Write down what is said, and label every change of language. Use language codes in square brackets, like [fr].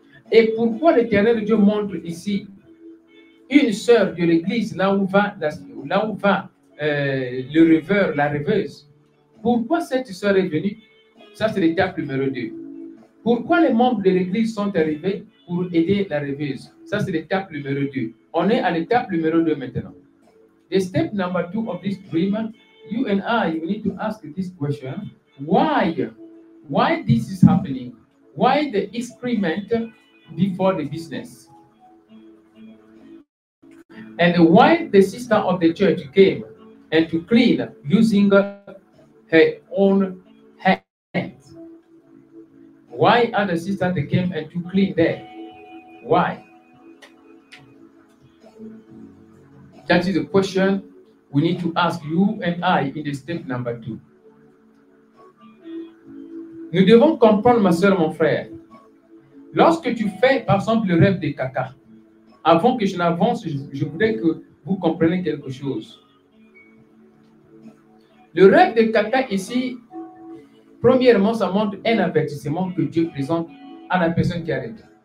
[fr] Et pourquoi l'Éternel Dieu montre ici une sœur de l'Église, le rêveur, la rêveuse? Pourquoi cette sœur est venue? Ça, c'est l'étape numéro 2. Pourquoi les membres de l'Église sont arrivés pour aider la rêveuse? Ça, c'est l'étape numéro 2. On est à l'étape numéro 2 maintenant. [en] The step number 2 of this dream, you need to ask this question. Why? Why this is happening? Why the excrement before the business? And why the sister of the church came and to clean using her own hands? Why are the sisters that came and to clean there? Why? That is the question we need to ask you and I in the step number 2. [fr] Nous devons comprendre, ma soeur, mon frère. Lorsque tu fais, par exemple, le rêve de caca, avant que je n'avance, je voudrais que vous compreniez quelque chose. Le rêve de caca ici, premièrement, ça montre un avertissement que Dieu présente à la personne qui arrive.